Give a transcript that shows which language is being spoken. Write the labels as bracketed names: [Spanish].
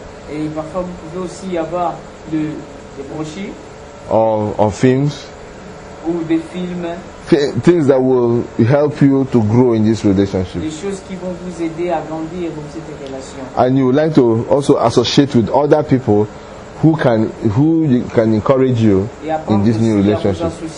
[French] Et parfois vous pouvez aussi avoir des brochures. [English] or films, [French] ou des films, [English] things that will help you to grow in this relationship. [French] Les choses qui vont vous aider à grandir dans cette relation. [English] And you would like to also associate with other people who can encourage you in this new relationship.